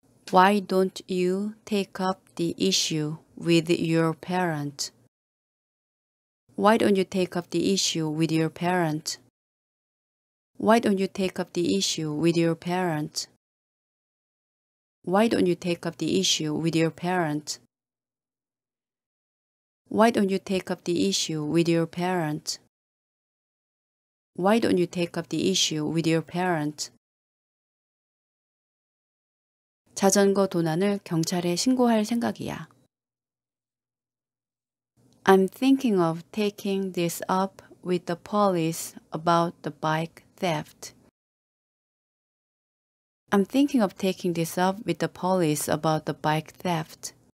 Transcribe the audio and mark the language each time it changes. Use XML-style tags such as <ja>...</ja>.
<en>Why don't you take up the issue with your parent? Why don't you take up the issue with your parent? Why don't you take up the issue with your parent? Why don't you take up the issue with your parent? Why don't you take up the issue with your parent? Why don't you take up the issue with your parent?</en> <ko>자전거 도난을 경찰에 신고할 생각이야.</ko> <en>I'm thinking of taking this up with the police about the bike theft. I'm thinking of taking this up with the police about the bike theft.</en>